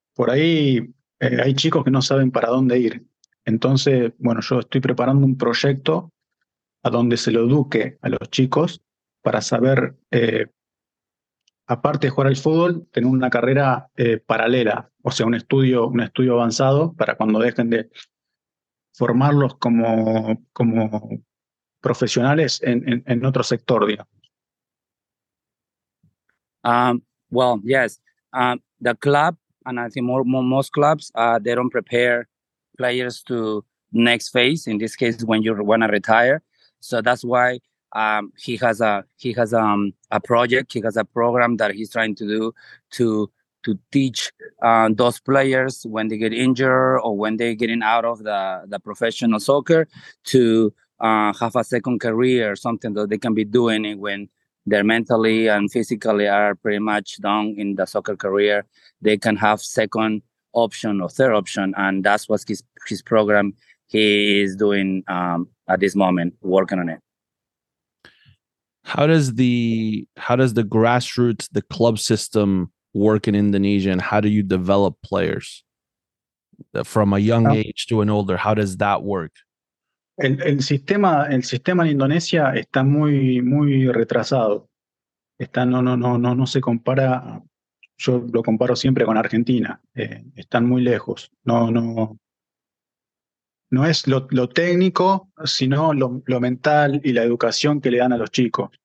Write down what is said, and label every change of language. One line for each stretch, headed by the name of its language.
Spanish: Por ahí hay chicos que no saben para dónde ir. Entonces, bueno, yo estoy preparando un proyecto a donde se lo eduque a los chicos para saber, aparte de jugar al fútbol, tener una carrera paralela, o sea, un estudio avanzado para cuando dejen de formarlos como profesionales en otro sector, digamos.
English: Well, yes, the club, and I think most clubs, they don't prepare players to next phase, in this case when you want to retire. So that's why he has a project, he has a program that he's trying to do to teach those players when they get injured or when they're getting out of the professional soccer to have a second career, something that they can be doing when they're mentally and physically are pretty much done in the soccer career. They can have second option or third option, and that's what his program he is doing at this moment, working on it. How does the grassroots, the club system work in Indonesia, and how do you develop players from a young age to an older? How does that work?
Spanish: El sistema en Indonesia está muy muy retrasado. No se compara. Yo lo comparo siempre con Argentina. Están muy lejos. No es lo técnico, sino lo mental y la educación que le dan a los chicos.